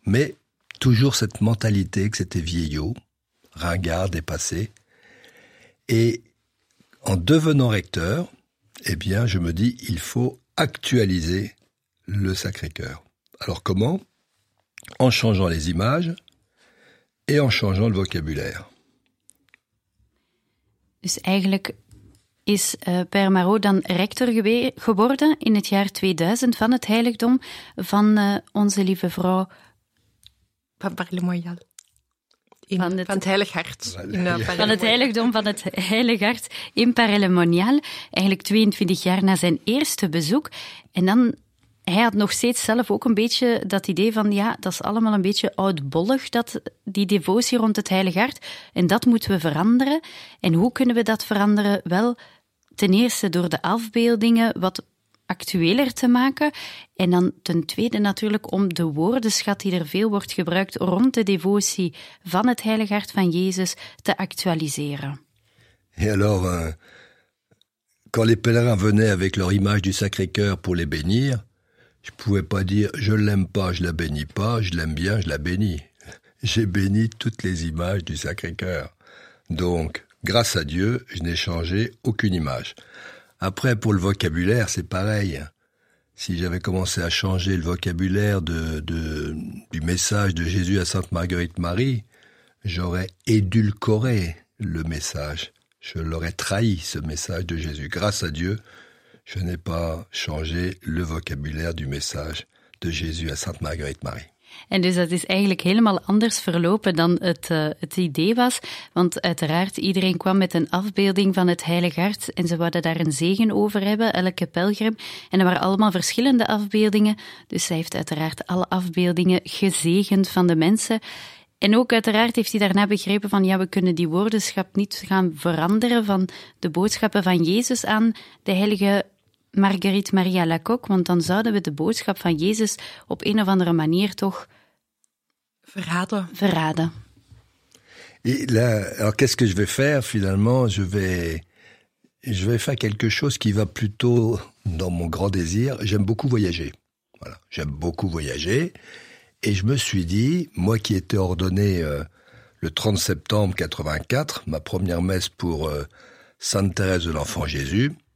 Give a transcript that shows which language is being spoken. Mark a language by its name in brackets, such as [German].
[French] Mais toujours cette mentalité que c'était vieillot, ringard, dépassé. Et en devenant recteur, eh bien, je me dis, il faut actualiser le Sacré-Cœur. Alors comment ? En changeant les images et en changeant le vocabulaire. [Dutch] Dus eigenlijk is Père Marot dan rector geworden in het jaar 2000 van het heiligdom van onze lieve vrouw... Van Paray le Monial. Van het Heilig Hart. Van het heiligdom van het Heilig Hart in Paray le Monial. Eigenlijk 22 jaar na zijn eerste bezoek. En dan... Hij had nog steeds zelf ook een beetje dat idee van, ja, dat is allemaal een beetje oudbollig, die devotie rond het Heilig Hart. En dat moeten we veranderen. En hoe kunnen we dat veranderen? Wel, ten eerste door de afbeeldingen wat actueler te maken. En dan ten tweede natuurlijk om de woordenschat die er veel wordt gebruikt rond de devotie van het Heilig Hart van Jezus te actualiseren. [French] Et alors, quand les pèlerins venaient avec leur image du Sacré-Cœur pour les bénir, je ne pouvais pas dire « je ne l'aime pas, je ne la bénis pas, je l'aime bien, je la bénis ». J'ai béni toutes les images du Sacré-Cœur. Donc, grâce à Dieu, je n'ai changé aucune image. Après, pour le vocabulaire, c'est pareil. Si j'avais commencé à changer le vocabulaire du message de Jésus à Sainte Marguerite Marie, j'aurais édulcoré le message je l'aurais trahi, ce message de Jésus. Grâce à Dieu, je n'ai pas changé le vocabulaire du message de Jésus à Sainte Marguerite Marie. [Dutch] En dus dat is eigenlijk helemaal anders verlopen dan het idee was, want uiteraard iedereen kwam met een afbeelding van het Heilig Hart en ze wouden daar een zegen over hebben, elke pelgrim, en er waren allemaal verschillende afbeeldingen, dus zij heeft uiteraard alle afbeeldingen gezegend van de mensen. En ook uiteraard heeft hij daarna begrepen van ja, we kunnen die woordenschap niet gaan veranderen van de boodschappen van Jezus aan de heilige Marguerite Maria Lacocq, want dan zouden we de boodschap van Jezus op een of andere manier toch verraden. [French] Et là, alors qu'est-ce que je vais faire finalement? Je vais faire quelque chose qui va plutôt dans mon grand désir. J'aime beaucoup voyager. Voilà, j'aime beaucoup voyager. Et je me suis dit, moi qui étais ordonné le 30 septembre 84, ma première messe pour Sainte Thérèse de l'Enfant Jésus.